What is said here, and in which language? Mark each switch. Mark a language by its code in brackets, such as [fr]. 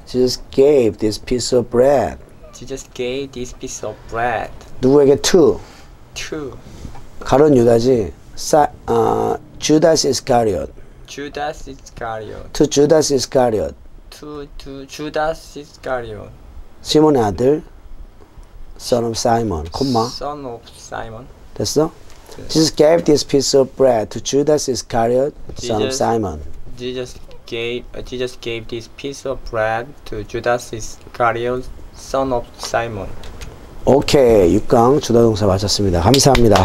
[en] Jesus gave this piece of bread. Jesus gave this piece of bread. [ko] 누구에게? [en] To. To. [ko] 가룟 유다지. Judas Iscariot. [en] Judas Iscariot. To Judas Iscariot. To Judas Iscariot. [ko] 시몬의 아들. [en] Son of Simon. [ko] 콤마. [en] Son of Simon. [ko] 됐어? 네. [en] Jesus gave this piece of bread to Judas Iscariot, Jesus, son of Simon. Jesus gave this piece of bread to Judas Iscariot, son of Simon. [ko] 오케이. 6강 주도 동사 마쳤습니다. 감사합니다.